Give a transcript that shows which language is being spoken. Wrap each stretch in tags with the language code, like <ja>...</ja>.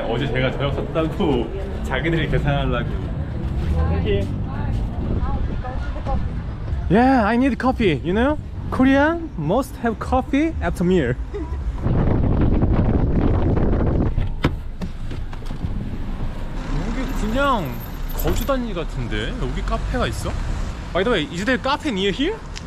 <ko>어제 제가 저녁 샀다고 자기들이 계산하려고.</ko> <en>Thank you. Yeah, I need coffee. You know, Korea must have coffee after meal.</en> <ko>여기 그냥 거주 단지 같은데 여기 카페가 있어?</ko> <en>By the way, is there a cafe near here?</en>